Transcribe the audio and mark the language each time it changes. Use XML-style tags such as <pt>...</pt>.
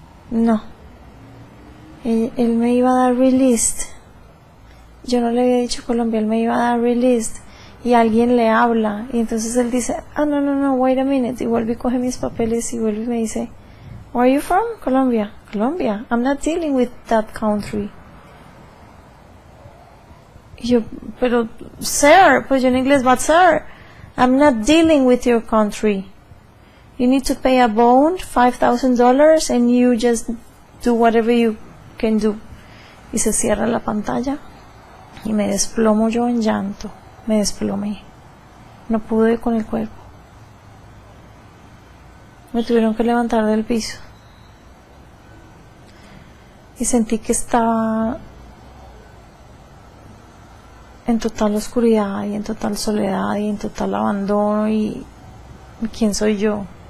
<es>No, él me iba a dar released. Yo no le había dicho Colombia, él me iba a dar released. Y alguien le habla, y entonces él dice, ah, no, no, no,</es> <en>wait a minute.</en> <es>Y vuelve y coge mis papeles y vuelve y me dice,</es> <en>where are you from?</en> <es>Colombia.</es> <en>Colombia, I'm not dealing with that country.</en> <es>Y yo, pero, sir, pues yo en inglés,</es> <en>but sir, I'm not dealing with your country. You need to pay a bond, $5,000, and you just do whatever you can do.</en> <es>Y se cierra la pantalla, y me desplomo yo en llanto. Me desplomé. No pude con el cuerpo. Me tuvieron que levantar del piso. Y sentí que estaba en total oscuridad, y en total soledad, y en total abandono, y ¿quién soy yo?</es>